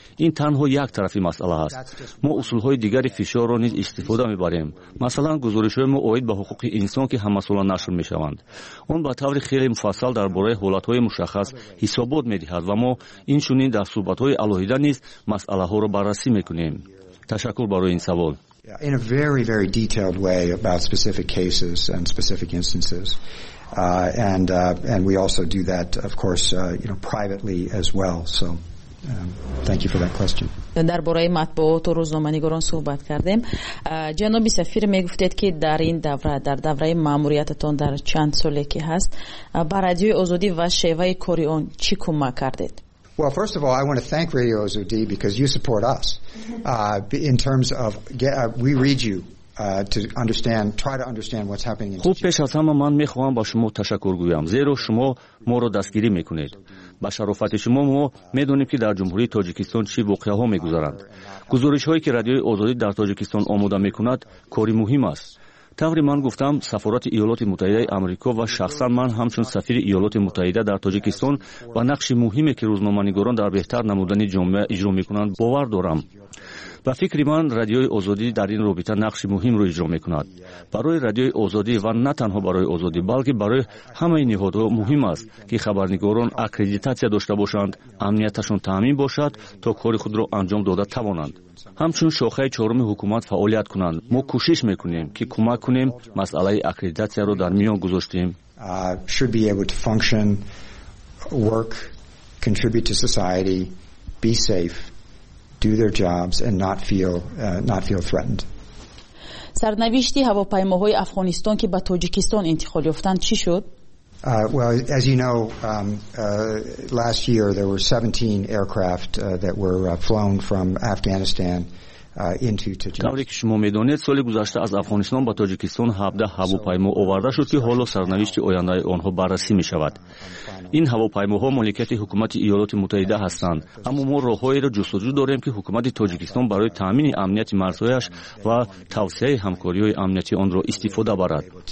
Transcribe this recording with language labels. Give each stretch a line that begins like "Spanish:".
Persian: این تنها یک طرفی مسئله است. ما اصول های دیگری فشار را نیز استفاده می بریم. مثلا گزارش های ما اوید به حقوق انسان که همه سالا نشر می شوند. اون به طور خیلی مفصل در برای حالت های مشخص حسابات می دهد و ما اینچونین در صحبت های علاهیده نیز مسئله ها را بررسی می کنیم. تشکر برای این سوال.
English: In a very, very detailed way about specific cases and specific instances. And we also do that, of course, you know, privately as well. So, thank you for that question.
Persian: در برای مطبوعات و روزنامه‌نگاران صحبت کردیم. جناب سفیر میگفتید که در این دوره، در دوره ماموریتتان در چند سالی که هست، با رادیو آزادی و شیوه کاری آن چی کمک کردید؟
English: Well, first of all, I want to thank Radio OZD because you support us in terms of we read you. To understand what's happening in
Persian: خوب پیش از همه من میخواهم با شما تشکر گویم زیرا شما ما رو دستگیری میکنید با شرافت شما ما میدونیم که در جمهوری تاجیکستان چی واقعه ها میگذارند گزارش هایی که رادیوی آزادی در تاجیکستان آماده میکند کاری مهم است طوری من گفتم سفارت ایالات متحده آمریکا و شخصا من همچون سفیر ایالات متحده در تاجیکستان و نقش مهمی که روزنامه‌نگاران در بهتر نمودن جامعه اجرا میکنند باور دارم و فکر من رادیوی آزادی در این رابطه نقش مهم رو اجرا میکند برای رادیوی آزادی و نه تنها برای آزادی بلکه برای همه نهادها مهم است که خبرنگاران اکریدیتاسیا داشته باشند امنیتشون تامین باشد تا کار خود را انجام داده توانند همچون شاخه چهارم حکومت فعالیت کنند ما کوشش میکنیم که کمک کنیم مساله اکریدیتاسیا را در میان گذاشتیم
English: should be able to function work contribute to society be safe do their jobs and not feel threatened.
Persian: سرنوشتی هواپیماهای افغانستان که به تاجیکستان انتقال یافتند چی شد؟
English: Well, as you know, last year there were 17 aircraft that were flown from Afghanistan into Tajikistan.
Persian: طوری که شما میدونید سال گذشته از افغانستان به تاجیکستان 17 هواپیما آورده شد که حالا سرنوشت آینده آنها بررسی می شود. این هواپیماها مالکیت حکومت ایالات متحده هستند اما ما راههایی را جستجو داریم که حکومت تاجیکستان برای تامین امنیت مرزهایش و توسعه همکاری های امنیتی آن را استفاده برد